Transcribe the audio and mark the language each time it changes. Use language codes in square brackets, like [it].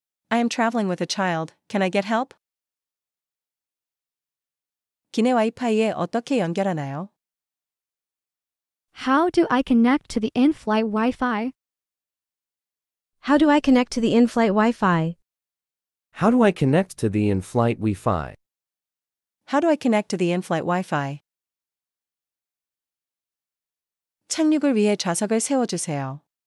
[en] I am traveling with a child. Can I get help? [ko] 기내 와이파이에 어떻게 연결하나요? [en] How do I connect to the in-flight Wi-Fi? How do I connect to the in-flight Wi-Fi? How do I connect to the in-flight Wi-Fi? How do I connect to the in-flight Wi-Fi? [ko] 착륙을 위해 좌석을 세워주세요.